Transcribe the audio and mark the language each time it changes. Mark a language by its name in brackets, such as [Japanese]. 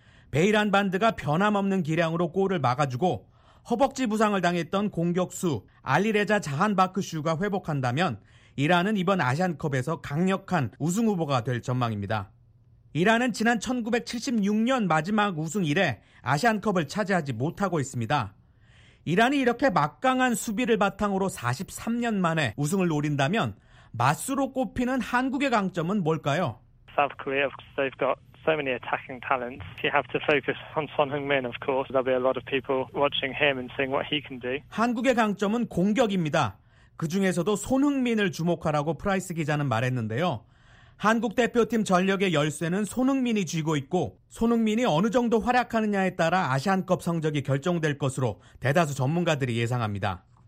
[Korean] 베이란 반드가 변함없는 기량으로 골을 막아주고 허벅지 부상을 당했던 공격수 알리레자 자한바크슈가 회복한다면 이란은 이번 아시안컵에서 강력한 우승후보가 될 전망입니다. 이란은 지난 1976년 마지막 우승 이래 아시안컵을 차지하지 못하고 있습니다. 이란이 이렇게 막강한 수비를 바탕으로 43년 만에 우승을 노린다면 맞수로 꼽히는 한국의 강점은 뭘까요? [English] South Korea, they've got so many attacking talents. You have to focus on Son Heung-min, of course. There'll be a lot of people watching him and seeing what he can do. [Korean] 한국의 강점은 공격입니다. 그 중에서도 손흥민을 주목하라고 프라이스 기자는 말했는데요. 한국 대표팀 전력의 열쇠는 손흥민이 쥐고 있고 손흥민이 어느 정도 활약하느냐에 따라 아시안컵 성적이 결정될 것으로 대다수 전문가들이 예상합니다.